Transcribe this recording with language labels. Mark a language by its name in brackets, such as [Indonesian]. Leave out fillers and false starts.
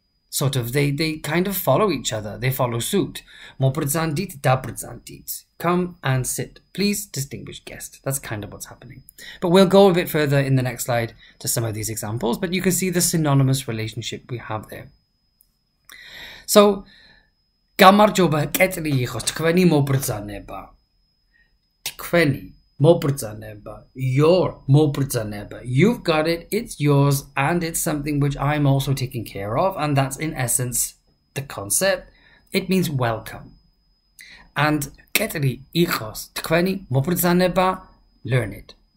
[English] Sort of, they kind of follow each other. They follow suit. [Georgian] moBRDZAN-de-t, daBRDZAN-de-t. [English] Come and sit, please, distinguished guest. That's kind of what's happening. But we'll go a bit further in the next slide to some of these examples, but you can see the synonymous relationship we have there. [Georgian] So, გამარჯობა, კეთილი იყოს, თქვენი მობრძანება. თქვენი მობრძანება, [English] your [Georgian] მობრძანება. [English] You've got it, it's yours, and it's something which I'm also taking care of, and that's in essence the concept. It means welcome. And [Georgian] კეთილი იყოს, თქვენი მობრძანება, [English] learn it.